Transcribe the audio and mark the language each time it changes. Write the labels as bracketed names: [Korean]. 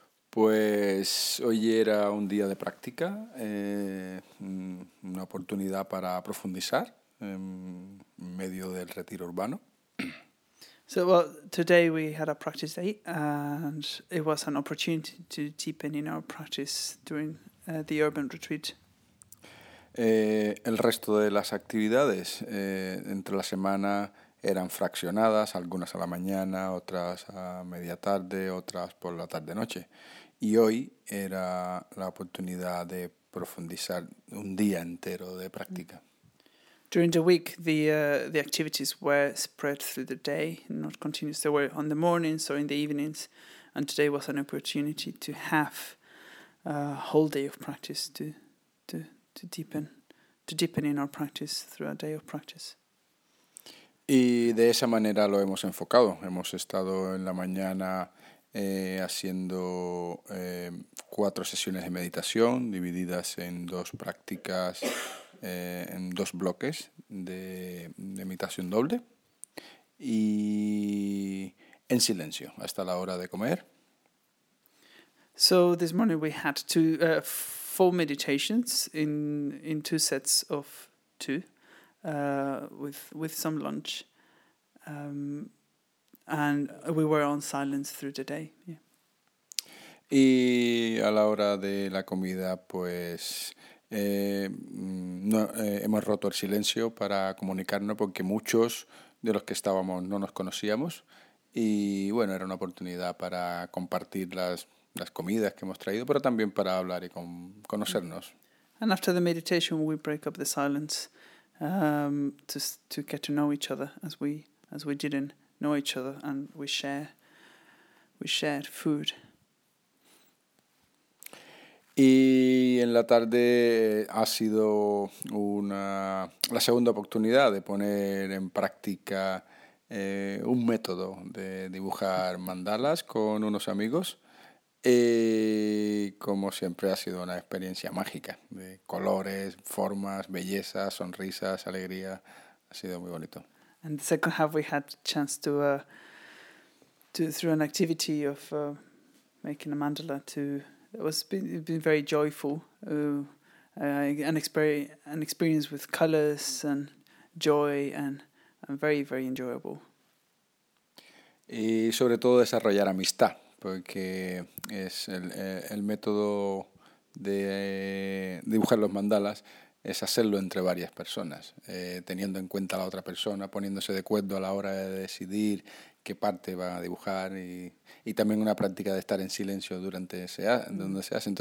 [Spanish] Pues hoy era un día de práctica, una oportunidad para profundizar en medio del retiro urbano. [English] So, well, today we had a practice day, and it was an opportunity to deepen in our practice during the urban retreat. [Spanish] El resto de las actividades entre la semana eran fraccionadas, algunas a la mañana, otras a media tarde, otras por la tarde-noche. Y hoy era la oportunidad de profundizar un día entero de práctica. [English] During the week, the activities were spread through the day, not continuous. They were on the mornings or in the evenings, and today was an opportunity to have a whole day of practice to deepen in our practice through a day of practice. [Spanish] Y de esa manera lo hemos enfocado. Hemos estado en la mañana haciendo cuatro sesiones de meditación divididas en dos prácticas. En dos bloques de meditación doble y en silencio hasta la hora de comer. [English] So this morning we had four meditations in two sets of two with some lunch, and we were on silence through the day. Yeah. [Spanish] Y a la hora de la comida, pues hemos roto el silencio para comunicarnos, porque muchos de los que estábamos no nos conocíamos, y bueno, era una oportunidad para compartir las comidas que hemos traído, pero también para hablar y conocernos. [English] And after the meditation we break up the silence to get to know each other as we didn't know each other, and we shared food. [Spanish] Y en la tarde ha sido la segunda oportunidad de poner en práctica un método de dibujar mandalas con unos amigos. Y como siempre ha sido una experiencia mágica, de colores, formas, bellezas, sonrisas, alegría. Ha sido muy bonito. [English] And the second half we had a chance through an activity of making a mandala to... It was been very joyful, an experience with colors and joy, and very, very enjoyable. [Spanish] Y sobre todo desarrollar amistad, porque es el método de dibujar los mandalas es hacerlo entre varias personas, teniendo en cuenta a la otra persona, poniéndose de acuerdo a la hora de decidir qué parte va a dibujar, y también una práctica de estar en silencio durante donde se hace.